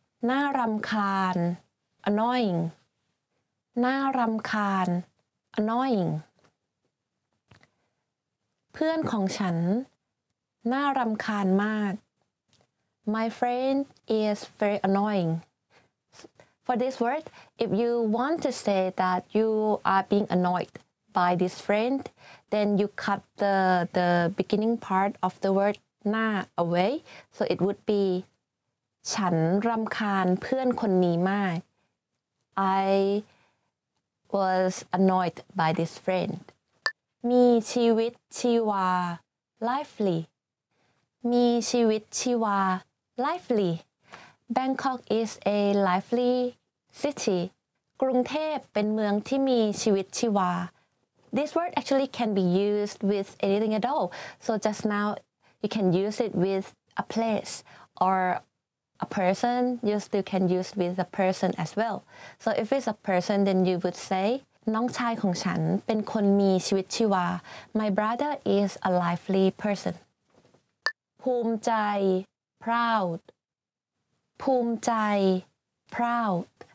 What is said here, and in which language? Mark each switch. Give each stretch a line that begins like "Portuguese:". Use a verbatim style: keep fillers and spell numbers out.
English: น่ารำคาญ annoying น่ารำคาญ annoying
Thai: เพื่อนของฉันน่ารำคาญมาก
English: My friend is very annoying. For this word, if you want to say that you are being annoyed by this friend, then you cut the the beginning part of the word หน้า away so it would be
Thai: ฉันรำคาญเพื่อนคนนี้มาก
English: I was annoyed by this friend มีชีวิตชีวา lively มีชีวิตชีวา lively Bangkok is a lively city
Thai: กรุงเทพเป็นเมืองที่มีชีวิตชีวา
English: This word actually can be used with anything at all. So just now, you can use it with a place or a person. You still can use it with a person as well. So if it's a person, then you would say,
Thai: น้องชายของฉันเป็นคนมีชีวิตชีวา
English: My brother is a lively person. ภูมิใจ proud. ภูมิใจ proud.